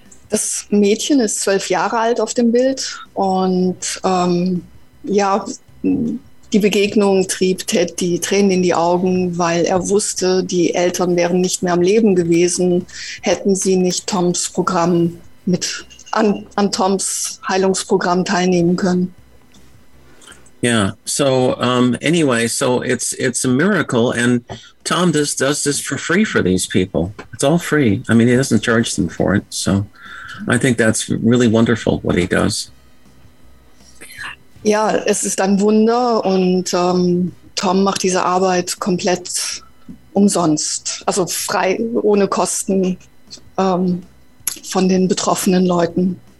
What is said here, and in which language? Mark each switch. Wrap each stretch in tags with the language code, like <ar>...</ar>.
<de>Das Mädchen ist 12 Jahre alt auf dem Bild und ja, die Begegnung trieb Ted die Tränen in die Augen, weil er wusste, die Eltern wären nicht mehr am Leben gewesen, hätten sie nicht Toms Programm mit an Toms Heilungsprogramm teilnehmen können.</de> <en>Yeah. So anyway, so it's a miracle, and Tom does this for free for these people. It's all free. I mean, he doesn't charge them for it. So I think that's really wonderful what he does.</en> <de>Ja, es ist ein Wunder, und Tom macht diese Arbeit komplett umsonst, also frei, ohne Kosten von den betroffenen Leuten.</de>